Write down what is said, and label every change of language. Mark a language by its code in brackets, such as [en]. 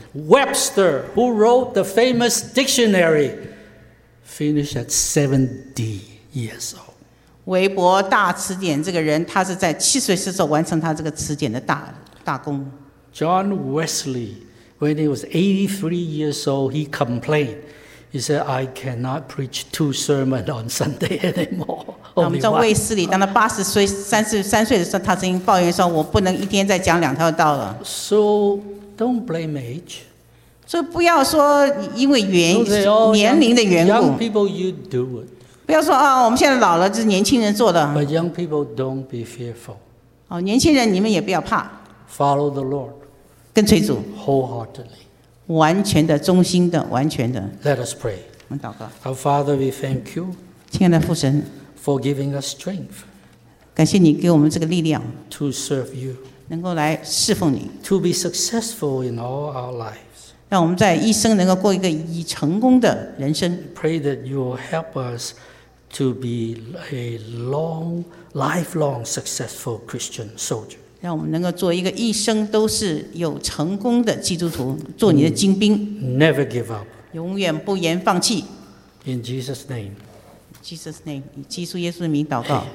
[en] Webster, who wrote the famous dictionary, finished at 70 years old. [zh] 韦伯大词典这个人，他是在70岁时候完成他这个词典的大功。 [en] John Wesley, when he was 83 years old, he complained. He said, "I cannot preach two sermons on Sunday anymore." [zh] 我们知道卫斯理，当他80岁、33岁的时候，他曾经抱怨说：“我不能一天再讲两条道了。” [en] So don't blame age. [zh] 所以不要说因为年龄的缘故。 [en] Young people, you do it. [zh] 不要说我们现在老了，这是年轻人做的。 [en] But young people, don't be fearful. [zh] 年轻人，你们也不要怕。 [en] Follow the Lord. [zh] 跟随主。 [en] Wholeheartedly. [zh] 完全的忠心的完全的 [en] Let us pray. [zh] 我们祷告 [en] Our Father, we thank you. [zh] 亲爱的父神 [en] For giving us strength. [zh] 感谢你给我们这个力量 [en] To serve you. [zh] 能够来侍奉你 [en] To be successful in all our lives. [zh] 让我们在一生能够过一个以成功的人生 [en] Pray that you will help us to be a lifelong successful Christian soldier. [zh] 让我们能够做一个一生都是有成功的基督徒，做你的精兵。 [en] Never give up. [zh] 永远不言放弃。 [en] In Jesus' name. Jesus' name. [zh] 以基督耶稣的名祷告。